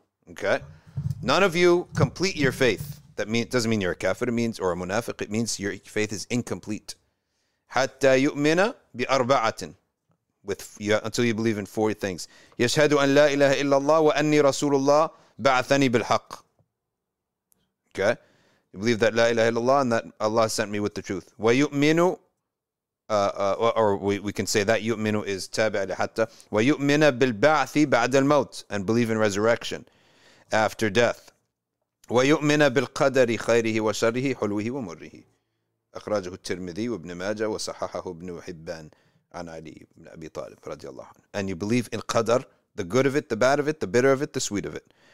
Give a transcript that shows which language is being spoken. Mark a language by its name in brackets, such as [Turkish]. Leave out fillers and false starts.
[English] Okay, none of you complete your faith. That mean, doesn't mean you're a kafir. It means, or a munafiq. It means your faith is incomplete. [Arabic] حتى يؤمن بأربعات, [English] until you believe in four things. [Arabic] يشهد أن لا إله إلا الله وأني رسول الله بعثني بالحق. [English] Okay, you believe that [Arabic] لا إله إلا الله [English] and that Allah sent me with the truth. ويؤمن, or we can say that يؤمن is [Arabic] تابع لحتى. ويؤمن بالبعث بعد الموت, [English] and believe in resurrection after death. [Arabic] وَيُؤْمِنَ بِالْقَدَرِ خَيْرِهِ وَشَرِّهِ حُلْوِهِ وَمُرِّهِ. أخرجه الترمذي وابن ماجه وصححه ابن حبان عن علي بن أبي طالب رضي الله عنه. [English] And you believe in qadr, the good of it, the bad of it, the bitter of it, the sweet of it.